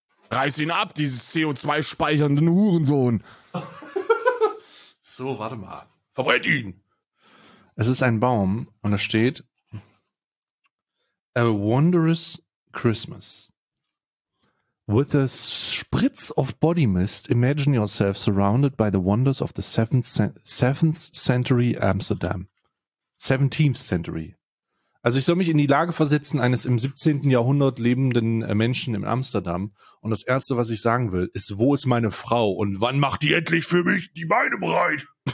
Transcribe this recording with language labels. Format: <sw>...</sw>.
<de>Reiß ihn ab, dieses CO2-speichernden Hurensohn. So, warte mal. Verbrennt ihn. Es ist ein Baum und da steht A Wondrous Christmas.</de> <en>With a spritz of body mist, imagine yourself surrounded by the wonders of the 7th century Amsterdam. 17th century.</en> <de>Also ich soll mich in die Lage versetzen eines im 17. Jahrhundert lebenden Menschen in Amsterdam. Und das Erste, was ich sagen will, ist, wo ist meine Frau und wann macht die endlich für mich die Beine bereit?</de>